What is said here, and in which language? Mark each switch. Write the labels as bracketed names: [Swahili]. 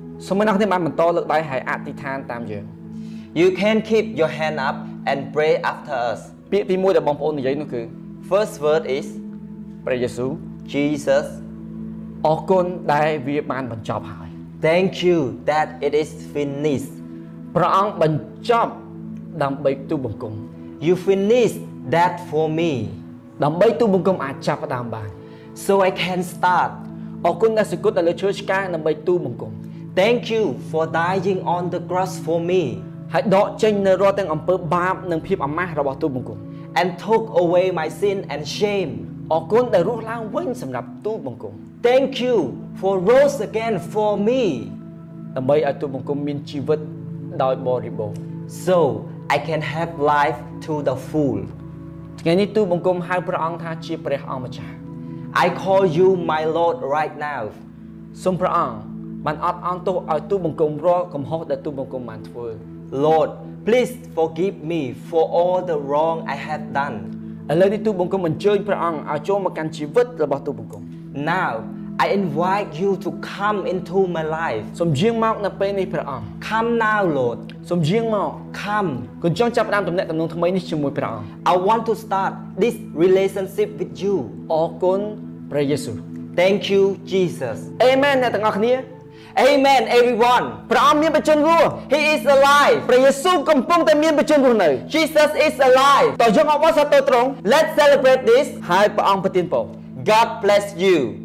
[Khmer] សូមអ្នកទាំងអស់បន្តលើកដៃហើយអធិដ្ឋានតាមយើង [English] You can keep your hand up and pray after us [Khmer] ពាក្យទីមួយដែលបងប្អូននិយាយនោះគឺ [English] First word is [Khmer] ព្រះយេស៊ូវ [English] Jesus [Khmer] អរគុណដែលវាបានបញ្ចប់ហើយ [English] Thank you that it is finished [Khmer] ព្រះអង្គបញ្ចប់ដើម្បីទូបង្គំ [English] You finished that for me [Khmer] ដើម្បីទូបង្គំអាចចាប់ផ្ដើមបាន [English] So I can start [Khmer] អរគុណដែលសគត់ដល់លើឈើឆ្កាងដើម្បីទូបង្គំ [English] Thank you for dying on the cross for me [Khmer] ហើយដកចេញនៅរាល់ទាំងអំពើបាបនិងភាពអាម៉ាស់របស់ទូបង្គំ [English] And took away my sin and shame [Khmer] អរគុណដែលរស់ឡើងវិញសម្រាប់ទូបង្គំ [English] Thank you for rose again for me [Khmer] ដើម្បីឲ្យទូបង្គំមានជីវិតដោយបរិបូរណ៍ [English] So I can have life to the full [Khmer] ថ្ងៃនេះទូបង្គំហៅព្រះអង្គថាជាព្រះអង្គម្ចាស់ [English] I call you my Lord right now [Khmer] សូមព្រះអង្គបានអត់អន់ទោសឲ្យទូបង្គំរាល់កំហុសដែលទូបង្គំបានធ្វើ [English] Lord please forgive me for all the wrong I have done [Khmer] ឥឡូវនេះទូបង្គំអញ្ជើញព្រះអង្គឲ្យចូលមកកាន់ជីវិតរបស់ទូបង្គំ [English] Now I invite you to come into my life [Khmer] សូមយាងមកនៅពេលនេះព្រះអង្គ [English] Come now Lord [Khmer] សូមយាងមក [English] Come [Khmer] កុំចង់ចាប់ផ្ដើមទំនាក់ទំនងថ្មីនេះជាមួយព្រះអង្គ [English] I want to start this relationship with you [Khmer] អរគុណព្រះយេស៊ូវ [English] Thank you Jesus [Khmer] Amen អ្នកទាំងអស់គ្នា [English] Amen everyone. [Khmer] ព្រះអម្ចាស់មានបញ្ជនរស់ [English] He is alive. [Khmer] ព្រះយេស៊ូវកំពុងតែមានបញ្ជនរស់នៅ [English] Jesus is alive. [Khmer] តើយើងអបអរសាទរត្រង់ [English] Let's celebrate this. [Khmer] ហើយព្រះអម្ចាស់ប្រទានពរ [English] God bless you.